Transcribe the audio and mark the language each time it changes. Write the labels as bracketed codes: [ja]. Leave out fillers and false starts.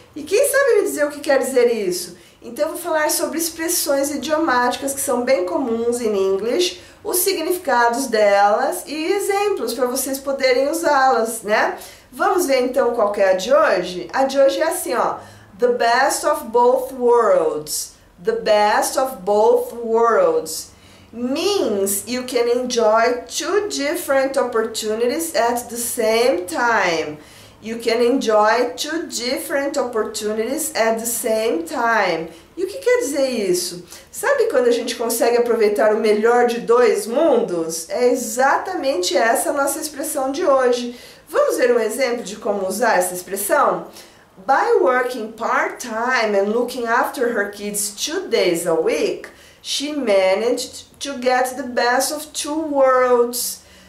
[pt] E quem sabe me dizer o que quer dizer isso? Então eu vou falar sobre expressões idiomáticas que são bem comuns em inglês, os significados delas e exemplos para vocês poderem usá-las, né? Vamos ver então qual que é a de hoje? A de hoje é assim, ó. [en] The best of both worlds. The best of both worlds means you can enjoy two different opportunities at the same time. You can enjoy two different opportunities at the same time. [pt] E o que quer dizer isso? Sabe quando a gente consegue aproveitar o melhor de dois mundos? É exatamente essa a nossa expressão de hoje. Vamos ver um exemplo de como usar essa expressão? [en] By working part-time and looking after her kids 2 days a week, she managed to get the best of two worlds.